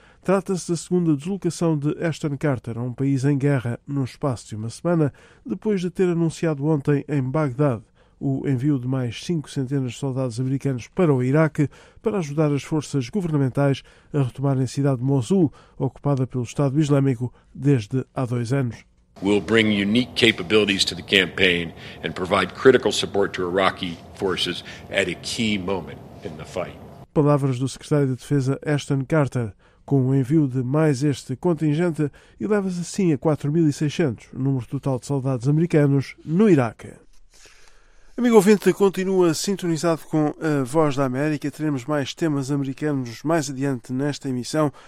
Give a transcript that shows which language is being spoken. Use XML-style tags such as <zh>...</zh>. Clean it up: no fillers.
<pt>Trata-se da segunda deslocação de Ashton Carter a um país em guerra no espaço de uma semana, depois de ter anunciado ontem em Bagdad o envio de mais 500 de soldados americanos para o Iraque para ajudar as forças governamentais a retomarem a cidade de Mosul, ocupada pelo Estado Islâmico desde há 2 anos.</pt> <en>We'll bring unique capabilities to the campaign and provide critical support to Iraqi forces at a key moment in the fight.</en> <pt>Palavras do secretário de Defesa Ashton Carter. Com o envio de mais este contingente, eleva-se assim a 4.600 o número total de soldados americanos no Iraque. Amigo ouvinte, continua sintonizado com a Voz da América. Teremos mais temas americanos mais adiante nesta emissão.</pt>